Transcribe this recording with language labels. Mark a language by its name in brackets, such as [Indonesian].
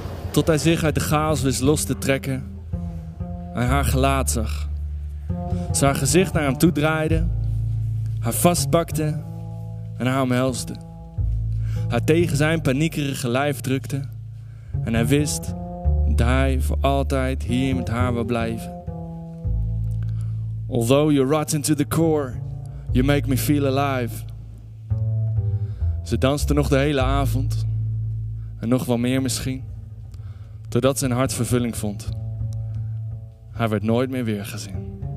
[Dutch] Tot hij zich uit de chaos wist los te trekken en haar gelaat zag. Ze haar gezicht naar hem toe draaide, haar vastpakte en haar omhelsde. Haar tegen zijn paniekerige lijf drukte en hij wist dat hij voor altijd hier met haar wil blijven. [English] Although you're rotten to the core, you make me feel alive. [Dutch] Ze danste nog de hele avond en nog wel meer misschien. Totdat zijn hart vervulling vond. Hij werd nooit meer weergezien.